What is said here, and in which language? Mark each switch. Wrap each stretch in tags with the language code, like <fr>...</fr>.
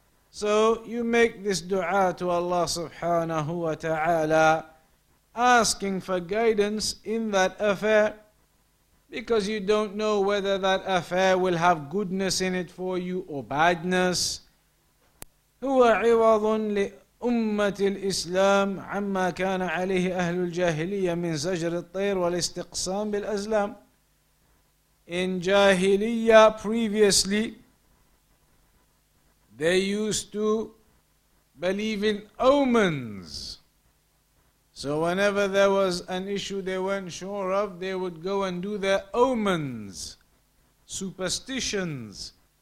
<en>So you make this dua to Allah subhanahu wa ta'ala, asking for guidance in that affair, because you don't know whether that affair will have goodness in it for you or badness.</en> <ar>هو عوض لأمة الإسلام عما كان عليه أهل الجاهلية من زجر الطير والاستقسام بالأزلام.</ar> <en>In Jahiliyya, previously, they used to believe in omens. So whenever there was an issue they weren't sure of, they would go and do their omens, superstitions.</en>